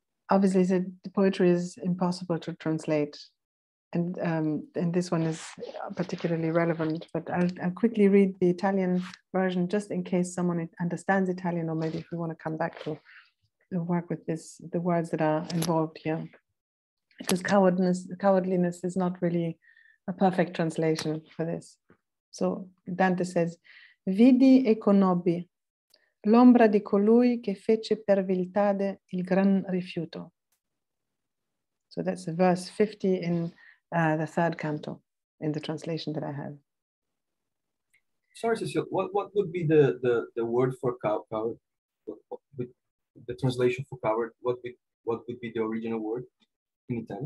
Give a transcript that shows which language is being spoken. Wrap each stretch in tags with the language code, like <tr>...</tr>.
<en>Obviously, the poetry is impossible to translate, and this one is particularly relevant, but I'll quickly read the Italian version just in case someone understands Italian, or maybe if we want to come back to work with this, the words that are involved here, because cowardliness is not really a perfect translation for this. So Dante says,</en> <it>vidi e conobbi l'ombra di colui che fece per viltade il gran rifiuto.</it> <en>So that's verse 50 in the third canto, in the translation that I have. Sorry, Cecile, what would be the word for coward? The translation for coward, what would be the original word in Italian?</en>